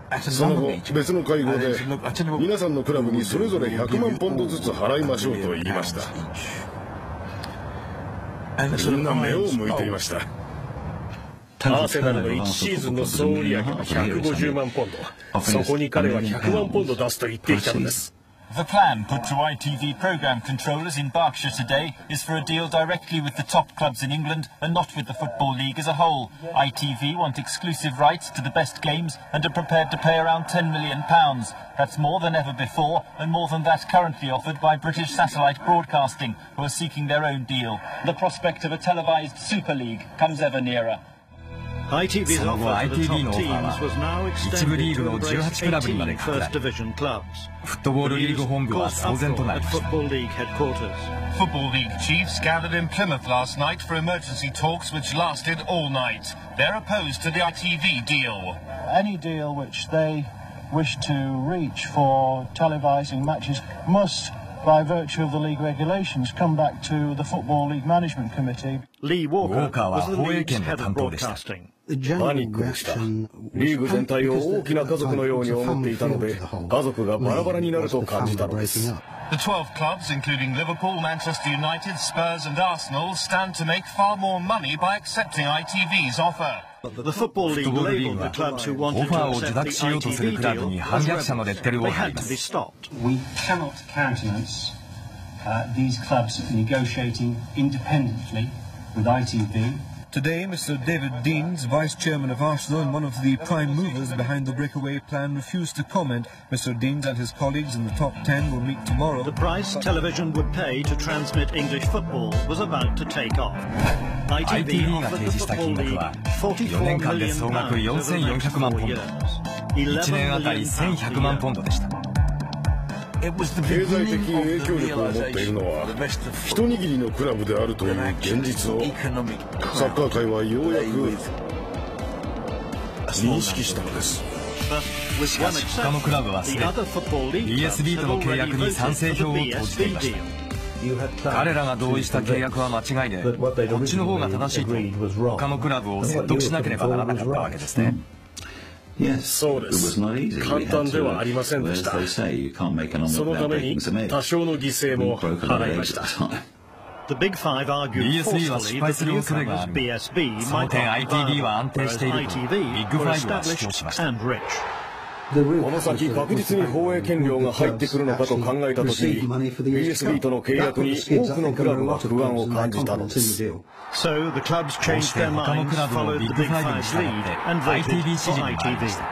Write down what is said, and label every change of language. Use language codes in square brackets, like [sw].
[ja] その後別の会合で皆さんのクラブにそれぞれ100万ポンドずつ払いましょうと言いました。みんな目を向いていました。アーセナルの1シーズンの総売上は150万ポンド、そこに彼は100万ポンド出すと言っていたのです。 [en] The plan put to ITV program controllers in Berkshire today is for a deal directly with the top clubs in England and not with the Football League as a whole. ITV want exclusive rights to the best games and are prepared to pay around £10 million. That's more than ever before and more than that currently offered by British Satellite Broadcasting, who are seeking their own deal. The prospect of a televised Super League comes ever nearer. [ja] その後 ITV のオファーは一部リーグの18クラブにまで拡大、フットボールリーグ本部は騒然となりました。 [en] フットボールリーグチーフスガダルインプリマス last night for emergency talks which lasted all night. They're opposed to the ITV deal. Any deal which they wish to reach for televising matches must by virtue of the league regulations, come back to the Football League Management Committee. Lee Walker was the league's head of broadcasting. [ja] パニックでした。リーグ全体を大きな家族のように思っていたので、家族がバラバラになると感じたのです。 [en] The 12 clubs, including Liverpool, Manchester United, Spurs and Arsenal, stand to make far more money by accepting ITV's offer. The Football League labeled the clubs who wanted to accept the ITV deal as well. They had to be stopped. We cannot countenance these clubs negotiating independently with ITV. Today, Mr. David Deans, vice chairman of Arsenal and one of the prime movers behind the breakaway plan, refused to comment. Mr. Deans and his colleagues in the top 10 will meet tomorrow. The price television would pay to transmit English football was about to take off. ITV offered the Football League £44 million over the next 4 years. 11 million pounds a year. [ja] 経済的影響力を持っているのは一握りのクラブであるという現実をサッカー界はようやく認識したのです。しかし他のクラブはすでに ESB との契約に賛成票を投じていました。彼らが同意した契約は間違いで、こっちの方が正しいと他のクラブを説得しなければならなかったわけですね。そうです。簡単ではありませんでした。そのために多少の犠牲も払いました。 BSB は失敗する恐れがある。その点 ITV は安定しているとビッグファイブは主張しました。この先確実に放映権料が入ってくるのかと考えたとき、 BSB との契約に多くのクラブは不安を感じたのです。 [en] So the clubs changed their minds, followed the Big Five's lead, and voted for ITV.